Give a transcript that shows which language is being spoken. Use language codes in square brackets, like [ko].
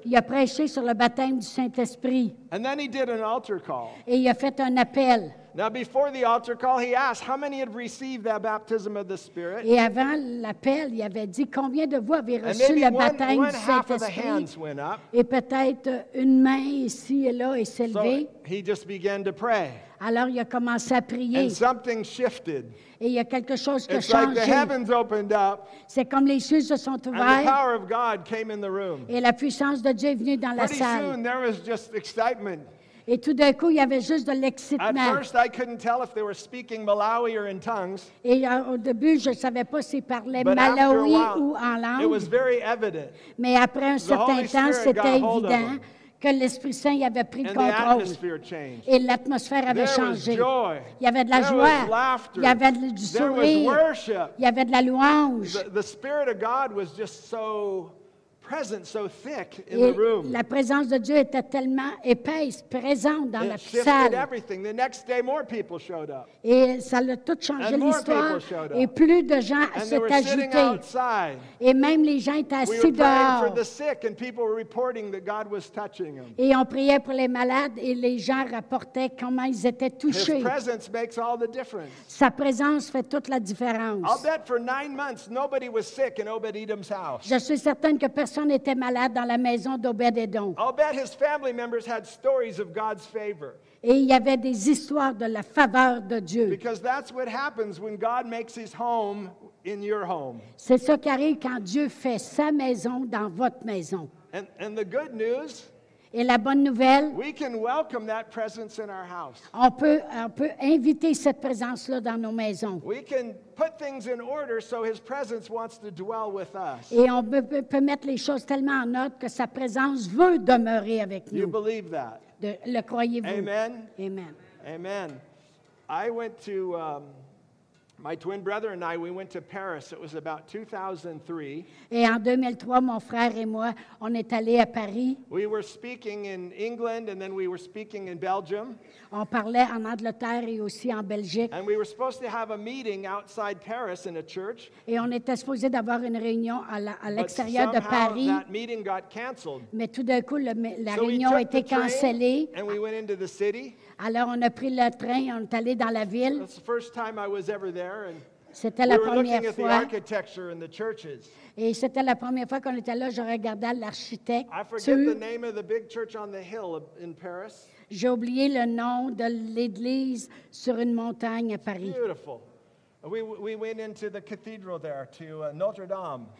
[fr] Il a prêché sur le baptême du Saint-Esprit. [en] And then he did an altar call. [fr] Et il a fait un appel. [en] Now before the altar call, he asked how many had received that baptism of the Spirit. [fr] Et avant l'appel, il avait dit combien de vous avez reçu le baptême du Saint-Esprit. Et peut-être une main ici et là est s'élevée. [en] So he just began to pray. [fr] Alors il a commencé à prier. [en] And something shifted. [fr] Et il y a quelque chose qui [en] It's [fr] a changé. [en] Like the heavens opened up, [fr] c'est comme les cieux se sont ouverts. [en] And the power of God came in the room. [fr] Et la puissance de Dieu est venue dans [en] Pretty [fr] la salle. [en] Soon, there was just excitement. [fr] Et tout d'un coup, il y avait juste de l'excitement. [en] At first, I couldn't tell if they were speaking Malawi or in tongues. [fr] Et au début, je ne savais pas s'ils parlaient Malawi ou en langue. [en] It was very evident. [fr] Mais après un certain temps, c'était évident que l'Esprit Saint y avait pris le contrôle. [en] And the atmosphere changed. [fr] Et l'atmosphère avait changé. [en] There was joy. [fr] Il y avait de la joie. Il y avait du sourire. [en] There was worship. [fr] Il y avait de la louange. [en] The Spirit of God was just so presence so thick in the room. [fr] La présence de Dieu était tellement épaisse, présente dans la salle. [en] It shifted everything. The next day, more people showed up. [fr] Et ça a tout changé l'histoire. Et plus de gens s'étaient ajoutés. [en] And they were sitting outside. [fr] Et même les gens étaient assis dehors. [en] We were praying for the sick, and people were reporting that God was touching them. [fr] Et on priait pour les malades, et les gens rapportaient comment ils étaient touchés. [en] His presence makes all the difference. [fr] Sa présence fait toute la différence. [en] I'll bet for 9 months nobody was sick in Obed-Edom's house. [fr] Je suis certaine que personne n'était malade dans la maison d'Obed-Edom. [en] I'll bet his family members had stories of God's favor. [fr] Et il y avait des histoires de la faveur de Dieu. [en] Because that's what happens when God makes his home in your home. [fr] C'est ça qui arrive quand Dieu fait sa maison dans votre maison. [en] And the good news, [fr] Et la bonne nouvelle, [en] we can welcome that presence in our house. [fr] On peut inviter cette présence-là dans nos maisons. [en] We can put things in order so his presence wants to dwell with us. [fr] Et on peut mettre les choses tellement en ordre que sa présence veut demeurer avec nous. [en] You believe that? [fr] Le croyez-vous? [en] Amen. Amen. Amen. I went to my twin brother and I, we went to Paris. It was about 2003. [fr] Et en 2003, mon frère et moi, on est allés à Paris. [en] We were speaking in England and then we were speaking in Belgium. [fr] On parlait en Angleterre et aussi en Belgique. [en] And we were supposed to have a meeting outside Paris in a church. [fr] Et on était supposé d'avoir une réunion à l'extérieur de Paris. [en] But somehow that meeting got canceled. [fr] Mais tout d'un coup, la réunion a été cancellée. [en] And we went into the city. [fr] Alors, on a pris le train et on est allé dans la ville. [en] That's the first time I was ever there, and [fr] c'était la première fois. [en] We were looking at the architecture and the churches. [fr] Et c'était la première fois qu'on était là, je regardais l'architecte. [en] I forget the name of the big church on the hill in Paris. [fr] J'ai oublié le nom de l'église sur une montagne à Paris. [en] It's beautiful. We went into the cathedral there, to Notre Dame.